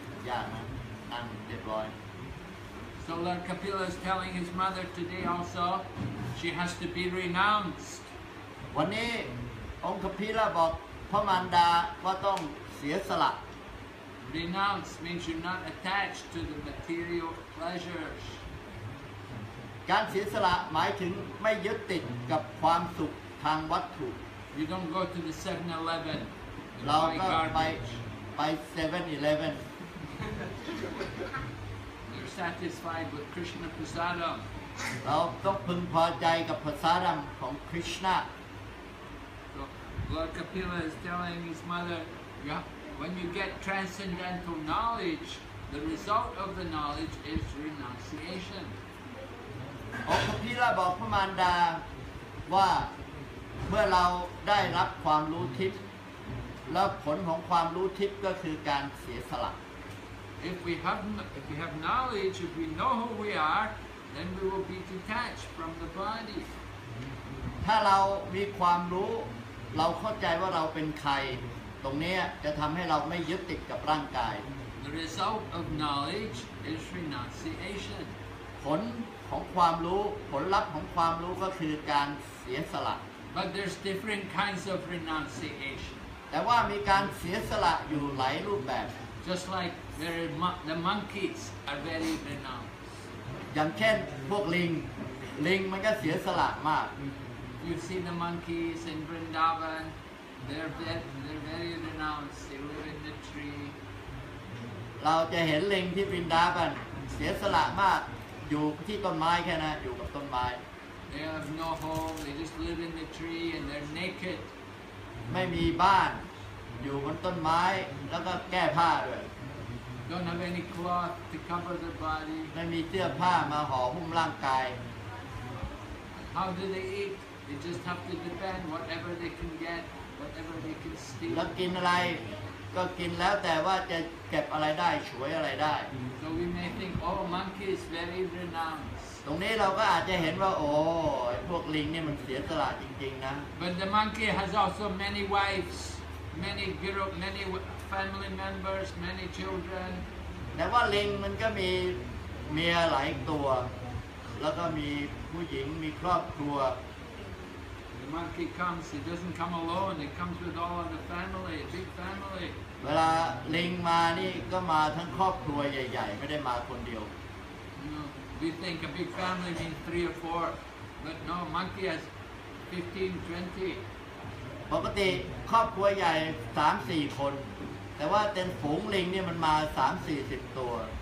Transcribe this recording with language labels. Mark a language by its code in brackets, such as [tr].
[th] ยากนะนั่งเรียบร้อย [en] So Lord Kapila is telling his mother today also she has to be renounced [th] วันนี้องค์คพิลาบอกพระมารดาว่าต้องเสียสละ [en] Renounce means you're not attached to the material pleasures [th] การเสียสละหมายถึงไม่ยึดติดกับความสุขทางวัตถุ [en] You don't go to the 7-Eleven [th] เราก็ไป 7-Eleven [en] You're satisfied with Krishna Prasadam. [th] เราต้องพึงพอใจกับ Prasadam ของ Krishna. [en] So Lord Kapila is telling his mother, when you get transcendental knowledge, the result of the knowledge is renunciation. [th] องค์ Kapila บอกพระมารดาว่าเมื่อเราได้รับความรู้ทิพย์แล้วผลของความรู้ทิพย์ก็คือการเสียสละ [en] If we have knowledge, if we know who we are, then we will be detached from the body. [th] ถ้าเรามีความรู้เราเข้าใจว่าเราเป็นใครตรงนี้จะทำให้เราไม่ยึดติดกับร่างกาย [en] The result of knowledge is renunciation. [th] ผลของความรู้ผลลัพธ์ของความรู้ก็คือการเสียสละ [en] But there's different kinds of renunciation. [th] แต่ว่ามีการเสียสละอยู่หลายรูปแบบ [en] Just likeThe monkeys are very renounced. [th] อย่างเช่นพวกลิงลิงมันก็เสียสละมาก [en] You see the monkeys in Vrindavan, they're very renounced. They live in the tree. [th] เราจะเห็นลิงที่ Vrindavan เสียสละมากอยู่ที่ต้นไม้แค่นั้นอยู่กับต้นไม้ [en] They have no home. They just live in the tree and they're naked. [th] ไม่มีบ้านอยู่บนต้นไม้แล้วก็แก้ผ้าด้วย [en] Don't have any cloth to cover their body. [th] ไม่มีเสื้อผ้ามาห่อหุ้มร่างกาย [en] How do they eat? They just have to depend whatever they can get, whatever they can steal. [th] แล้วกินอะไรก็กินแล้วแต่ว่าจะเก็บอะไรได้ฉวยอะไรได้ [en] So we may think, oh, monkey is very renounced. [th] ตรงนี้เราก็อาจจะเห็นว่าโอ้ยพวกลิงนี่มันเสียสละจริงๆนะ [en] But the monkey has also many wives, many. Family members, many children. [th] แต่ว่าลิงมันก็มีเมียหลายตัวแล้วก็มีผู้หญิงมีครอบครัว [en] The monkey comes. It doesn't come alone. It comes with all of the family, a big family. [th] เวลาลิงมานี่ก็มาทั้งครอบครัวใหญ่ๆไม่ได้มาคนเดียว [en] We think a big family means 3 or 4, but no, monkey has 15-20. [th] ปกติครอบครัวใหญ่ 3-4 คนแต่ว่าเป็นฝูงลิงเนี่ยมันมา 3-40 ตัว